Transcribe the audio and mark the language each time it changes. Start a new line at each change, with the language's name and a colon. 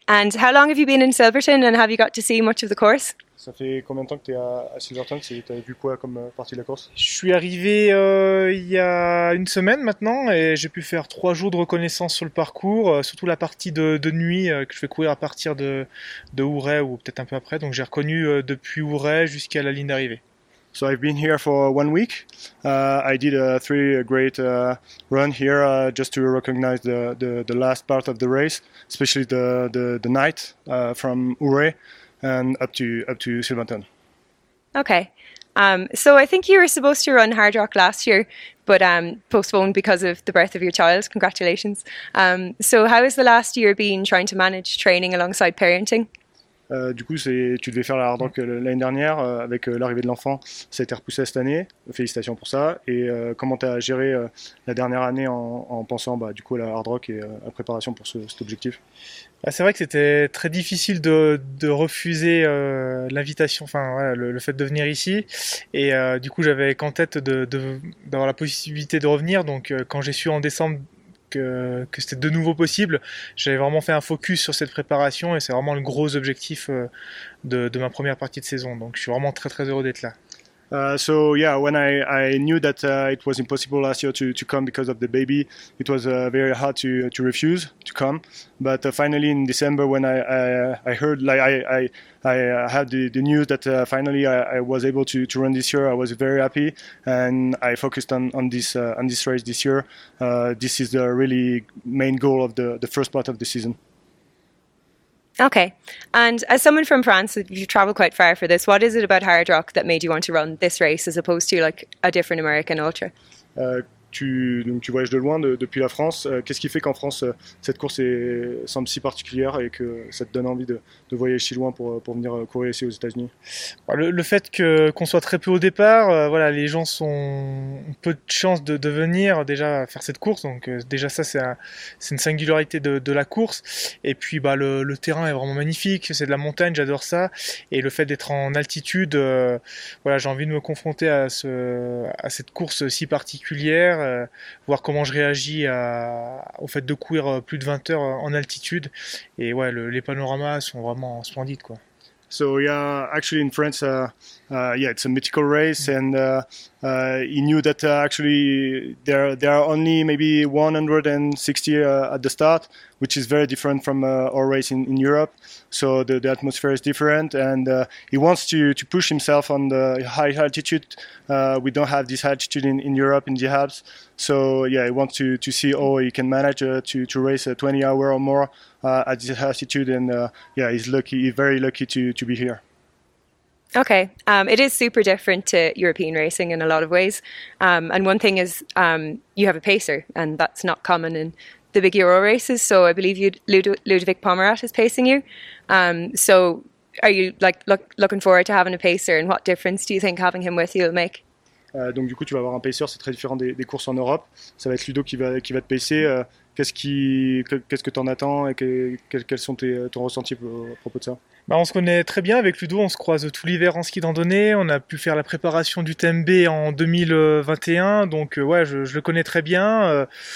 English: And how long have you been in Silverton, and have you got to see much of the course?
French: Ça fait combien de temps que t'es à Silverton? T'as vu quoi comme partie de la course? Je suis arrivé il y a une semaine maintenant, et j'ai pu faire 3 jours de reconnaissance sur le parcours, surtout la partie de nuit que je vais courir à partir de Ouray, ou peut-être un peu après. Donc j'ai reconnu depuis Ouray jusqu'à la ligne d'arrivée.
English: So I've been here for 1 week. I did three great run here just to recognize the last part of the race, especially the night from Ouray and up to Silverton. Okay. So I think you were supposed to run Hardrock last year, but postponed because of the birth of your child. Congratulations. So how has the last year been trying to manage training alongside parenting?
French: Tu devais faire la Hardrock l'année dernière avec l'arrivée de l'enfant. Ça a été repoussé cette année. Félicitations pour ça. Et comment tu as géré la dernière année en pensant du coup à la Hardrock et à la préparation pour cet objectif? C'est vrai que c'était très difficile de refuser l'invitation, le fait de venir ici. Et du coup, j'avais qu'en tête d'avoir la possibilité de revenir. Donc quand j'ai su en décembre que c'était de nouveau possible, j'avais vraiment fait un focus sur cette préparation et c'est vraiment le gros objectif de ma première partie de saison. Donc je suis vraiment très très heureux d'être là.
English: When I knew that it was impossible last year to come because of the baby, it was very hard to refuse to come. But finally in December, when I heard I had the news that finally I was able to run this year, I was very happy and I focused on this race this year. This is the really main goal of the first part of the season. Okay, and as someone from France, you travel quite far for this. What is it about Hardrock that made you want to run this race as opposed to like a different American ultra?
French: Tu voyages de loin depuis la France. Qu'est-ce qui fait qu'en France cette course semble si particulière et que ça te donne envie de voyager si loin pour venir courir ici aux États-Unis? Le fait qu'on soit très peu au départ, voilà, les gens ont peu de chances de venir déjà faire cette course. Donc déjà ça c'est une singularité de la course. Et puis le terrain est vraiment magnifique, c'est de la montagne, j'adore ça. Et le fait d'être en altitude, j'ai envie de me confronter à cette course si particulière. Voir comment je réagis au fait de courir plus de 20 heures en altitude, et ouais, les panoramas sont vraiment splendides, quoi.
English: So yeah, actually in France, it's a mythical race, and he knew that actually there are only maybe 160 at the start, which is very different from our race in Europe. So the atmosphere is different, and he wants to push himself on the high altitude. We don't have this altitude in Europe in the Alps. So yeah, he wants to see how he can manage to race 20 hour or more at this altitude, and he's very lucky to be here. Okay, it is super different to European racing in a lot of ways. And one thing is you have a pacer, and that's not common in the big Euro races. So I believe Ludovic Pomerat is pacing you. So are you looking forward to having a pacer, and what difference do you think having him with you will make?
French: Donc du coup, tu vas avoir un pacer, c'est très différent des courses en Europe. Ça va être Ludo qui va te pacer. Qu'est-ce que t'en attends et quels sont ton ressenti à propos de ça? On se connaît très bien avec Ludo, on se croise tout l'hiver en ski d'andonnée, on a pu faire la préparation du TMB en 2021, donc je le connais très bien.